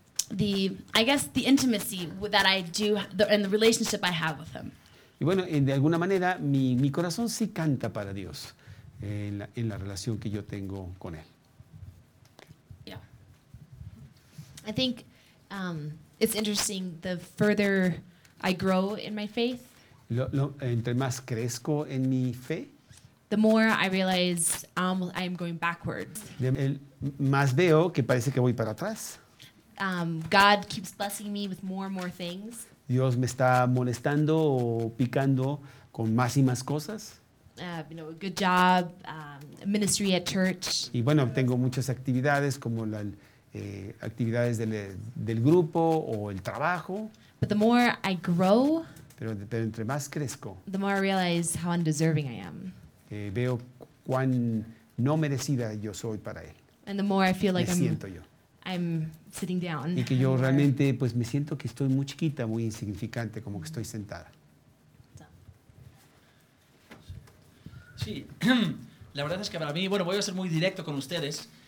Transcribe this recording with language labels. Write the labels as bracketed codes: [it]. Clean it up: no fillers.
[en] The intimacy that I do and the relationship I have with him. [es] Y bueno, de alguna manera mi corazón sí canta para Dios en la relación que yo tengo con él. [en] Yeah. I think it's interesting the further I grow in my faith. [es] Lo entre más crezco en mi fe, [en] the more I realize I am going backwards. [es] Más veo que parece que voy para atrás. [en] God keeps blessing me with more and more things. [es] Dios me está molestando o picando con más y más cosas. [en] A good job, ministry at church. [es] Y bueno, tengo muchas actividades como las actividades del grupo o el trabajo. [en] But the more I grow, [es] pero entre más crezco, [en] the more I realize how undeserving I am. [es] Veo cuán no merecida yo soy para él. [en] And the more I feel like I'm sitting down. [es] Y que yo realmente, pues, me siento que estoy muy chiquita, muy insignificante, como que estoy sentada. Sí, la verdad es que para mí, bueno, voy a ser muy directo con ustedes.